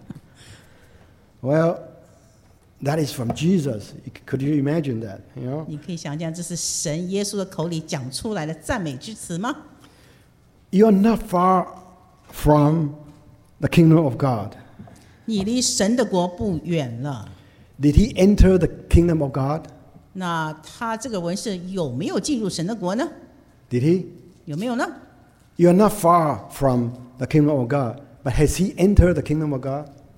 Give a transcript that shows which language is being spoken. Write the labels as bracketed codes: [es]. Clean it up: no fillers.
[zh] 你的牧师有没有对你讲话,哦,你离神的国不远了。 [en] Well, that is from Jesus. Could you imagine that? You know? [zh] 你可以想象这是神耶稣的口里讲出来的赞美之词吗? [en] You are not far from the kingdom of God. [zh] 你离神的国不远了。Did [en] he enter the kingdom of God? [zh] 那他这个文士有没有进入神的国呢? [en] Did he? [zh] 有没有呢? [en] You are not far from the kingdom of God, but has he entered the kingdom of God?